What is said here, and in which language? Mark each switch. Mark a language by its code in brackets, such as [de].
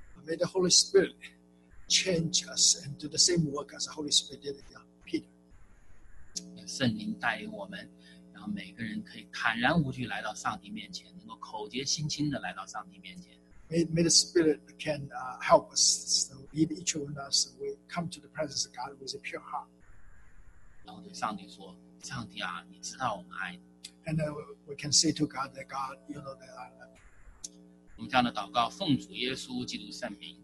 [en] May the Holy Spirit change us and do the same work as the Holy Spirit did with Peter. [zh] 愿圣灵带领我们，然后每个人可以坦然无惧来到上帝面前，能够口结心清的来到上帝面前。 [en] May the Spirit can help us, so lead each of us, we come to the presence of God with a pure heart. [zh] 然后对上帝说，上帝啊，你知道我们爱你。 [en] And we can say to God that God, you know that I love you. [zh] 我们这样的祷告，奉主耶稣基督圣名。